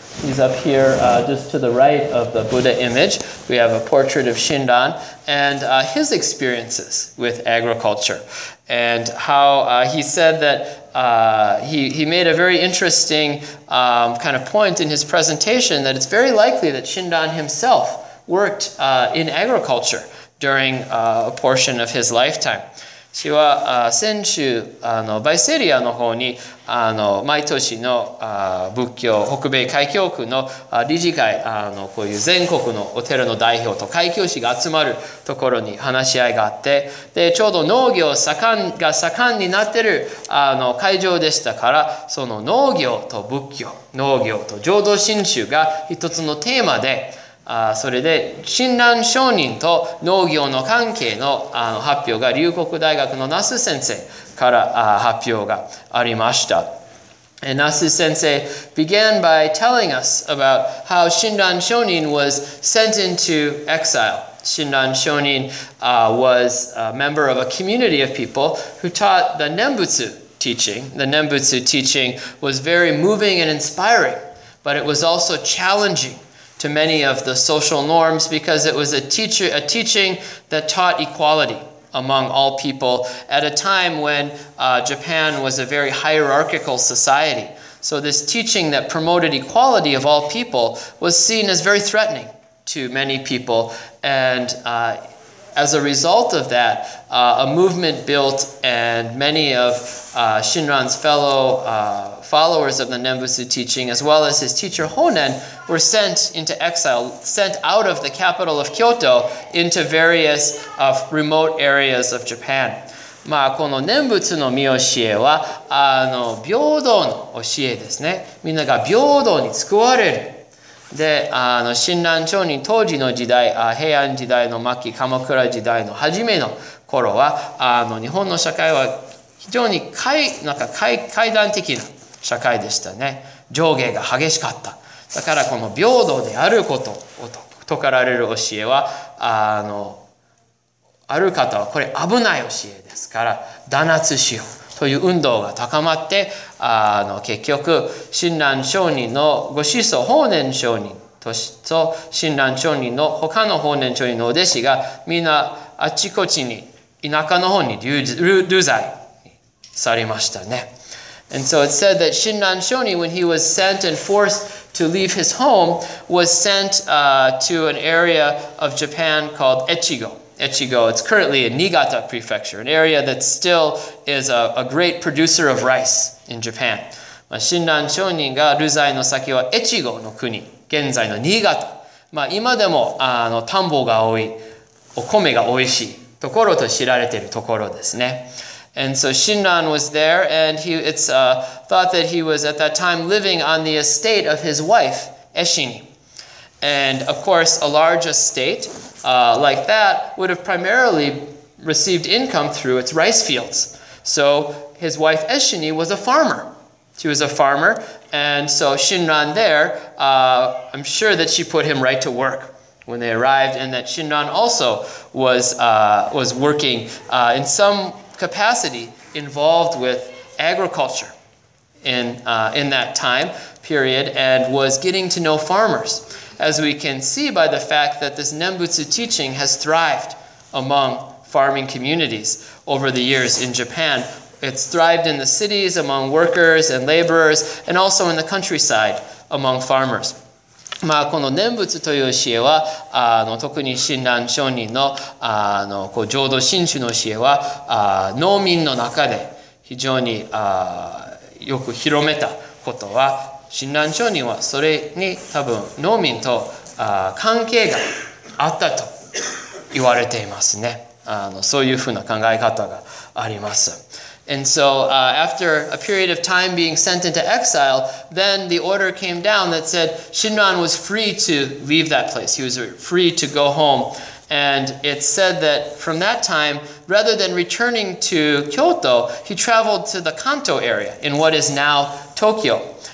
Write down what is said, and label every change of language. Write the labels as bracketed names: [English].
[English] He's up here just to the right of the Buddha image. We have a portrait of Shinran and his experiences with agriculture. And how he said that he made a very interesting kind of point in his presentation that it's very likely that Shinran himself worked in agriculture during a portion of his lifetime. [Japanese] 私は先週バイセリアの方に毎年の仏教北米海教区の理事会こういう全国のお寺の代表と海教師が集まるところに話し合いがあって、でちょうど農業が盛んになってる会場でしたから、その農業と仏教、農業と浄土真宗が一つのテーマでそれで親鸞聖人と農業の関係 の, あの発表が龍谷大学の那須先生から発表がありました。 [English] And Nasu Sensei began by telling us about how Shinran Shonin was sent into exile. Shinran Shonin was a member of a community of people who taught the Nembutsu teaching. The Nembutsu teaching was very moving and inspiring, but it was also challenging to many of the social norms because it was a teaching that taught equality among all people at a time when Japan was a very hierarchical society. So this teaching that promoted equality of all people was seen as very threatening to many people. And as a result of that, a movement built, and many of Shinran's fellow followers of the Nembutsu teaching, as well as his teacher Honen, were sent into exile, sent out of the capital of Kyoto into various remote areas of Japan. [Japanese] まあ、この念仏の御教えは平等の教えですね。みんなが平等に救われる。で、親鸞聖人当時の時代、平安時代の末期、鎌倉時代の初めの頃は、日本の社会は非常に階段的な社会でしたね。上下が激しかった。だからこの平等であることを説かれる教えは、ある方はこれ危ない教えですから、弾圧しようという運動が高まって、結局、親鸞聖人のご子孫、法然上人と、親鸞聖人の他の法然上人のお弟子が、みんなあちこちに、田舎の方に流罪されましたね。 [English] And so it said that Shinran Shonin, when he was sent and forced to leave his home, was sent to an area of Japan called Echigo. Echigo, it's currently in Niigata Prefecture, an area that still is a great producer of rice in Japan. [Japanese] まあ、Shinran Shonin が流罪の先は Echigo の国、現在の Niigata。まあ、今でも田んぼが多い、お米が美味しいところと知られているところですね。 [English] And so Shinran was there, and it's thought that he was at that time living on the estate of his wife, Eshini. And of course, a large estate like that would have primarily received income through its rice fields. So his wife, Eshini, was a farmer. She was a farmer, and so Shinran there, I'm sure that she put him right to work when they arrived, and that Shinran also was working in some capacity involved with agriculture in that time period, and was getting to know farmers, as we can see by the fact that this Nembutsu teaching has thrived among farming communities over the years in Japan. It's thrived in the cities among workers and laborers, and also in the countryside among farmers. [Japanese] まあ、この念仏という教えは特に親鸞聖人 の, こう浄土真宗の教えは農民の中で非常によく広めたことは、親鸞聖人はそれに多分農民と関係があったと言われていますね。そういうふうな考え方があります。 [English] And so after a period of time being sent into exile, then the order came down that said Shinran was free to leave that place. He was free to go home. And it said that from that time, rather than returning to Kyoto, he traveled to the Kanto area in what is now Tokyo.